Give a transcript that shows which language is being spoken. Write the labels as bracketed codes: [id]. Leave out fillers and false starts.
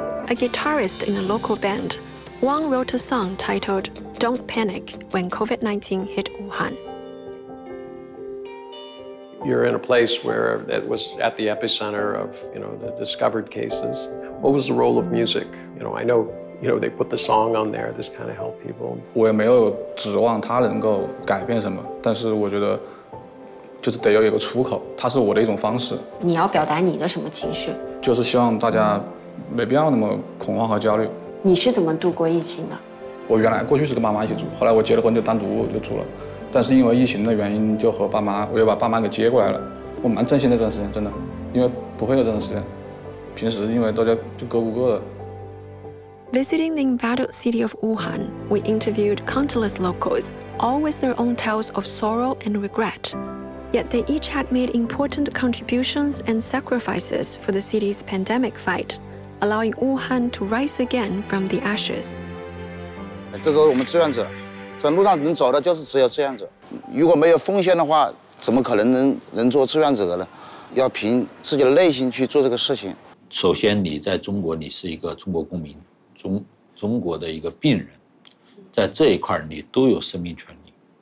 [en] A guitarist in a local band, Wang wrote a song titled Don't Panic when COVID-19 hit Wuhan. You're in a place where it was at the epicenter of, you know, the discovered cases. What was the role of music? You know, I know, you know, they put the song on there. This kind of helped people. [zh] 我也没有指望它能够改变什么，但是我觉得就是得要有个出口，它是我的一种方式。你要表达你的什么情绪？就是希望大家没必要那么恐慌和焦虑。你是怎么度过疫情的？我原来过去是跟爸妈一起住，后来我结了婚就单独就住了，但是因为疫情的原因，就和爸妈，我又把爸妈给接过来了。我蛮珍惜那段时间，真的，因为不会有这段时间。平时因为大家就各顾各的。 [en] Visiting the embattled city of Wuhan, we interviewed countless locals, all with their own tales of sorrow and regret. Yet they each had made important contributions and sacrifices for the city's pandemic fight, allowing Wuhan to rise again from the ashes. [zh] 这是我们志愿者，在路上能走的就是只有志愿者。如果没有奉献的话，怎么可能能做志愿者呢？要凭自己的内心去做这个事情。首先，你在中国，你是一个中国公民，中国的一个病人，在这一块你都有生命权利。